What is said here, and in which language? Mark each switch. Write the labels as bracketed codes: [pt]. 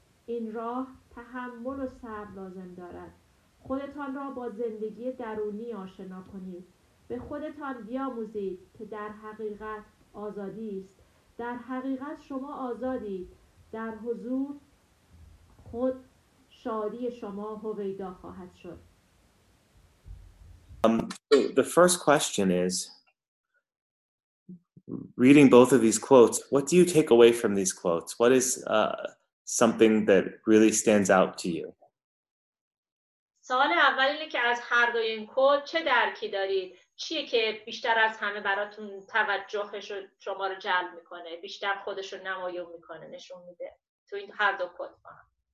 [fa] این راه تحمل و صبر لازم دارد. خودتان را با زندگی درونی آشنا کنید. به خودتان بیاموزید که در حقیقت آزادی است. در حقیقت شما آزادید. در حضور خود شادی شما هویدا خواهد شد. [en] The first question is, reading both of these quotes, what do you take away from these quotes? What is something that really stands out to you? [fa] سوال اول اینه که از هر دوی این کوت چه درکی دارید؟ چیه که بیشتر از همه براتون توجهش شما رو جلب میکنه؟ بیشتر خودش رو نمایون میکنه، نشون میده؟ تو این هر دو کوت با هم.